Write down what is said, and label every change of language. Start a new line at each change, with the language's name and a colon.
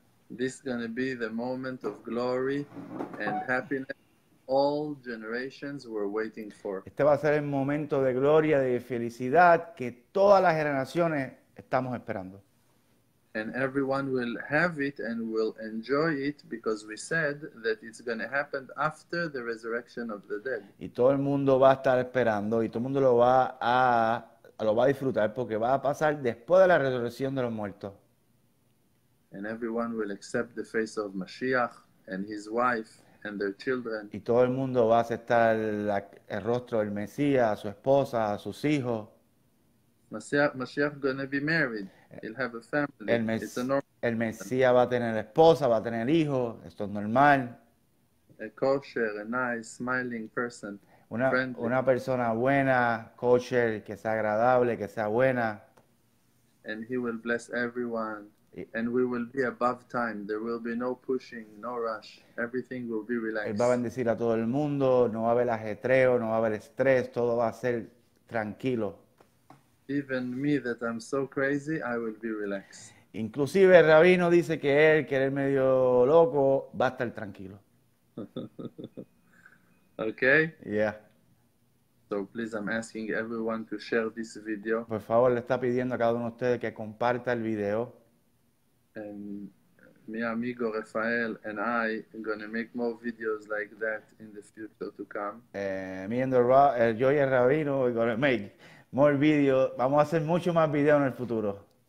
English: This is going to be the moment of glory and happiness all generations were waiting for.
Spanish: Este va a ser el momento de gloria, de felicidad que todas las generaciones estamos esperando.
English: And everyone will have it and will enjoy it because we said that it's going to happen after the resurrection of the dead.
Spanish: Y todo el mundo va a estar esperando y todo el mundo lo va a disfrutar porque va a pasar después de la resurrección de los muertos.
English: And everyone will accept the face of Mashiach and his wife and their children.
Spanish: Y todo el mundo va a aceptar el rostro del Mesías, a su esposa, a sus hijos.
English: Mashiach is going to be married. He'll have a family. It's a normal.
Spanish: El Mesías va a tener esposa, va a tener hijos. Esto es normal. A kosher, a nice, smiling person. Una persona buena, kosher, que sea agradable, que sea buena.
English: And he will bless everyone. And we will be above time. There will be no pushing, no rush. Everything will be relaxed.
Spanish: Él va a bendecir a todo el mundo. No va a haber ajetreo, no va a haber estrés. Todo va a ser tranquilo.
English: Even me, that I'm so crazy, I will be relaxed.
Spanish: Inclusive el rabino dice que él medio loco, va a estar tranquilo.
English: Okay. Yeah. So please, I'm asking everyone to share this video.
Spanish: Por favor, le está pidiendo a cada uno de ustedes que comparta el video.
English: And
Spanish: mi amigo
English: Rafael and I are going to make more videos like that in the future to come.
Spanish: Yo y el rabino
English: are going to make more videos.
Spanish: Vamos a hacer mucho más videos en el futuro.